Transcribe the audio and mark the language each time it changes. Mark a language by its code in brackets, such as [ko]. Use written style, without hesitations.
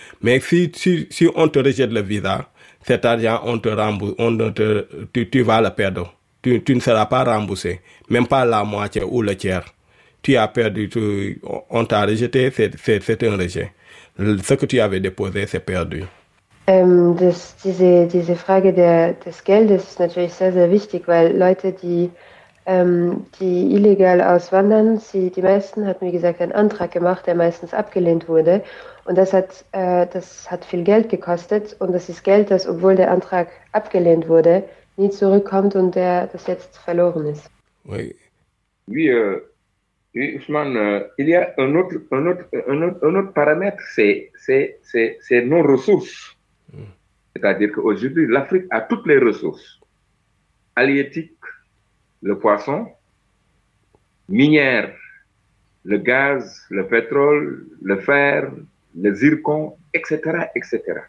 [fr] Mais si on te rejette le visa, cet argent, on te rembourse, tu vas le perdre. Tu ne seras pas remboursé, même pas la moitié ou le tiers. Tu as perdu, on t'a rejeté, c'est un rejet. Ce que tu avais déposé, c'est perdu. [de] Diese Frage des Geldes ist natürlich sehr, sehr wichtig, weil Leute, die illegal auswandern, die meisten hatten, wie gesagt, einen Antrag gemacht, der meistens abgelehnt wurde. Und das hat viel Geld gekostet. Und das ist Geld, das, obwohl der Antrag abgelehnt wurde, nie zurückkommt und das jetzt verloren ist. [fr] Oui. Oui, Ousmane, il y a un autre paramètre, c'est nos ressources. C'est-à-dire qu'aujourd'hui, l'Afrique a toutes les ressources halieutiques, le poisson, minières, le gaz, le pétrole, le fer, le zircon, etc., etc.